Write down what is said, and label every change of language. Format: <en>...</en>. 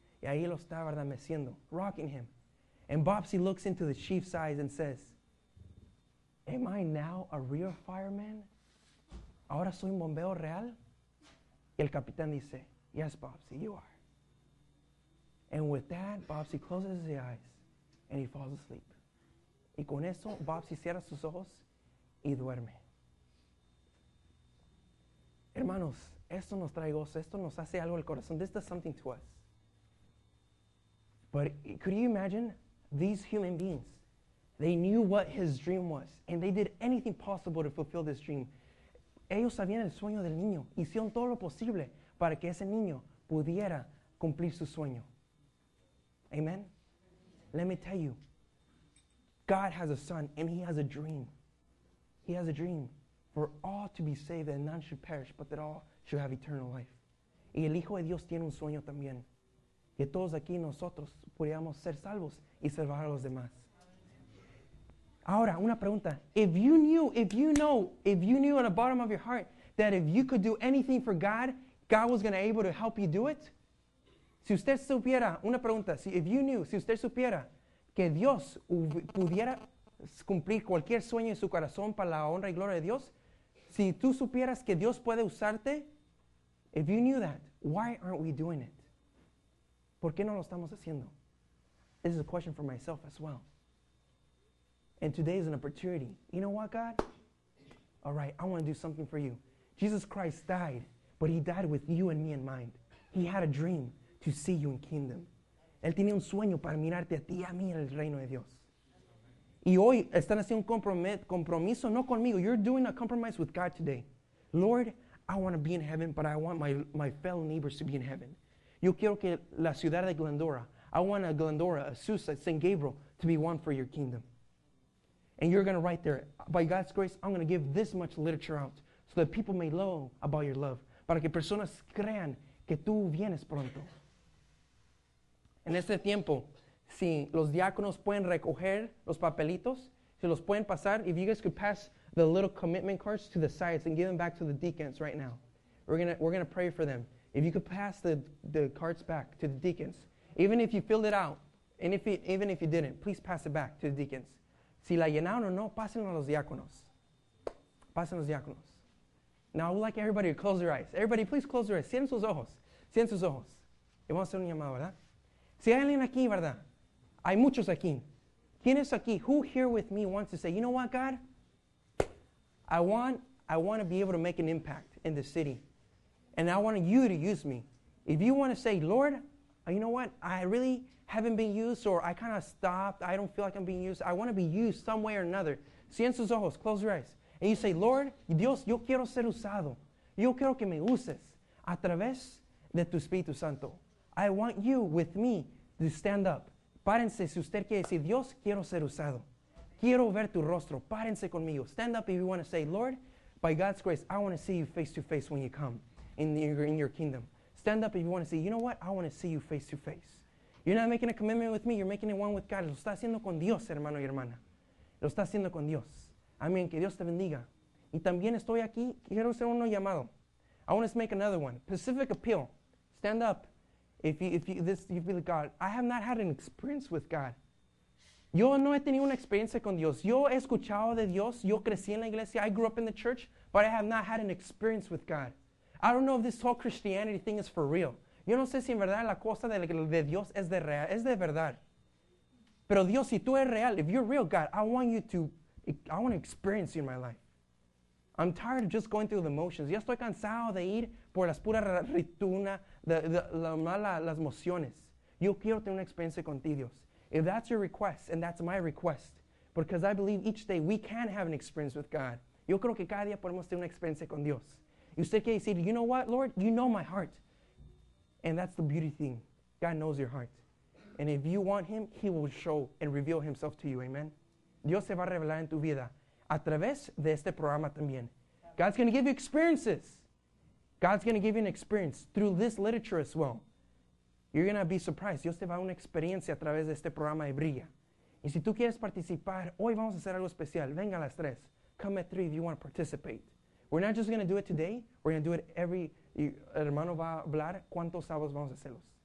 <es>Y ahí lo está, ¿verdad?, meciendo,</es> <en>rocking him. And Bobsy looks into the chief's eyes and says, am I now a real fireman?</en> <es>¿Ahora soy un bombero real? Y el capitán dice,</es> <en>yes, Bobsy, you are. And with that, Bobsy closes his eyes and he falls asleep.</en> <es>Y con eso, Bobsy cierra sus ojos y duerme. Hermanos, esto nos trae gozo, esto nos hace algo al corazón.</es> <en>This does something to us. But could you imagine these human beings? They knew what his dream was, and they did anything possible to fulfill this dream.</en> <es>Ellos sabían el sueño del niño, hicieron todo lo posible para que ese niño pudiera cumplir su sueño. Amen?</es> <en>Let me tell you, God has a son, and he has a dream. He has a dream. For all to be saved and none should perish, but that all should have eternal life.</en> <es>Y el Hijo de Dios tiene un sueño también. Que todos aquí nosotros podríamos ser salvos y salvar a los demás. Ahora, una pregunta.</es> <en>If you knew in the bottom of your heart that if you could do anything for God, God was going to be able to help you do it,</en> <es>Si usted supiera, una pregunta, si,</es> <en>if you knew,</en> <es>si usted supiera que Dios pudiera cumplir cualquier sueño en su corazón para la honra y gloria de Dios, si tú supieras que Dios puede usarte,</es> <en>if you knew that, why aren't we doing it?</en> <es>¿Por qué no lo estamos haciendo?</es> <en>This is a question for myself as well. And today is an opportunity. You know what, God? All right, I want to do something for you. Jesus Christ died, but he died with you and me in mind. He had a dream to see you in kingdom.</en> <es>Él tenía un sueño para mirarte a ti y a mí en el reino de Dios. Y hoy están haciendo un compromiso, no conmigo.</es> <en>You're doing a compromise with God today. Lord, I want to be in heaven, but I want my fellow neighbors to be in heaven.</en> <es>Yo quiero que la ciudad de Glendora,</es> <en>I want a Glendora, a Susa, St. Gabriel, to be one for your kingdom. And you're going to write there, by God's grace, I'm going to give this much literature out so that people may know about your love.</en> <es>Para que personas crean que tú vienes pronto. En este tiempo, si los diáconos pueden recoger los papelitos, si los pueden pasar,</es> <en>if you guys could pass the little commitment cards to the sides and give them back to the deacons right now. We're gonna pray for them. If you could pass the cards back to the deacons, even if you filled it out, and even if you didn't, please pass it back to the deacons.</en> <es>Si la llenaron o no, pásenlo a los diáconos. Pásenlo a los diáconos.</es> <en>Now, I would like everybody to close their eyes. Everybody, please close your eyes.</en> <es>Cierren sus ojos. Cierren sus ojos. Y vamos a hacer un llamado, ¿verdad? Si hay alguien aquí, ¿verdad? Hay muchos aquí. ¿Quién es aquí?</es> <en>Who here with me wants to say, you know what, God? I want to be able to make an impact in the city. And I want you to use me. If you want to say, Lord, you know what? I really haven't been used, or I kind of stopped. I don't feel like I'm being used. I want to be used some way or another.</en> <es>Cierren sus ojos.</es> <en>Close your eyes. And you say, Lord,</en> <es>Dios, yo quiero ser usado. Yo quiero que me uses a través de tu Espíritu Santo.</es> <en>I want you with me to stand up.</en> <es>Párense si usted quiere decir, Dios, quiero ser usado. Quiero ver tu rostro. Párense conmigo.</es> <en>Stand up if you want to say, Lord, by God's grace, I want to see you face to face when you come in your kingdom. Stand up if you want to say, you know what? I want to see you face to face. You're not making a commitment with me. You're making it one with God.</en> <es>Lo está haciendo con Dios, hermano y hermana. Lo está haciendo con Dios. Amén. Que Dios te bendiga. Y también estoy aquí. Quiero hacer uno llamado.</es> <en>I want to make another one.</en> <es>Pacific Appeal.</es> <en>Stand up. If you feel God. I have not had an experience with God.</en> <es>Yo no he tenido una experiencia con Dios. Yo he escuchado de Dios. Yo crecí en la iglesia.</es> <en>I grew up in the church. But I have not had an experience with God. I don't know if this whole Christianity thing is for real.</en> <es>Yo no sé si en verdad la cosa de Dios es de real, es de verdad. Pero Dios, si tú eres real,</es> <en>if you're real, God, I want to experience you in my life. I'm tired of just going through the motions.</en> <es>Ya estoy cansado de ir por las puras rituna, las mociones. Yo quiero tener una experiencia contigo, Dios.</es> <en>If that's your request, and that's my request, because I believe each day we can have an experience with God.</en> <es>Yo creo que cada día podemos tener una experiencia con Dios. Y usted quiere decir,</es> <en>you know what, Lord? You know my heart. And that's the beauty thing. God knows your heart. And if you want him, he will show and reveal himself to you. Amen.</en> <es>Dios se va a revelar en tu vida a través de este programa también.</es> <en>God's going to give you experiences. God's going to give you an experience through this literature as well. You're going to be surprised.</en> <es>Dios te va a dar una experiencia a través de este programa de Brilla. Y si tú quieres participar, hoy vamos a hacer algo especial. Venga a las tres.</es> <en>Come at three if you want to participate. We're not just going to do it today. We're going to do it every...</en> <es>Y el hermano va a hablar cuántos sábados vamos a hacerlos.</es>